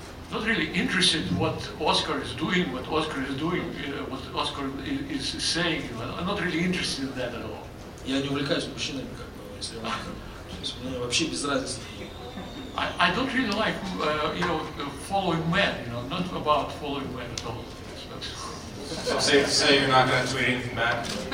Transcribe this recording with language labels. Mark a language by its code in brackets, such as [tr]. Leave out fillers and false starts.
[en] Not really interested in what Oscar is doing, what Oscar is doing, what Oscar is saying. I'm not really interested in that at all. [ru] Я не увлекаюсь мужчинами, как бы, если он... Мне вообще без разницы. [en] I don't really like, following men, you know, not about following men at all. So say you're not going to tweet anything back?